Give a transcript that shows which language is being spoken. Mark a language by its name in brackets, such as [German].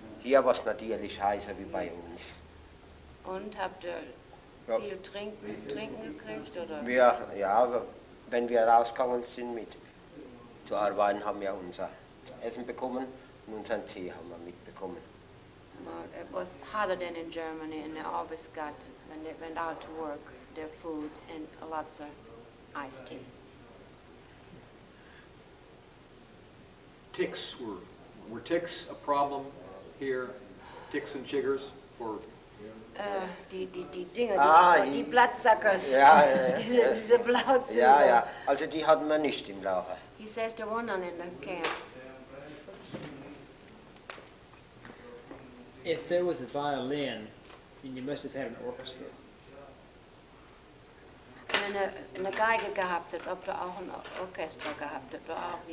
[German] Hier war es natürlich heißer wie bei uns. Und habt ihr viel trinken gekriegt? Oder? Wenn wir rausgegangen sind mit zu arbeiten, haben wir unser Essen bekommen und unseren Tee haben wir mitbekommen. [English] Well, it was harder than in Germany and they always got, when they went out to work, their food and lots of iced tea. Ticks, were ticks a problem? Here, ticks and chiggers for [German] die Blattsackers, diese Blauzüge. Ja, ja, also die hatten wir nicht im Lager. [English] He says there were none in the camp. If there was a violin, then you must have had an orchestra. [German] Eine Geige gehabt, ob du auch ein Orchester gehabt hast.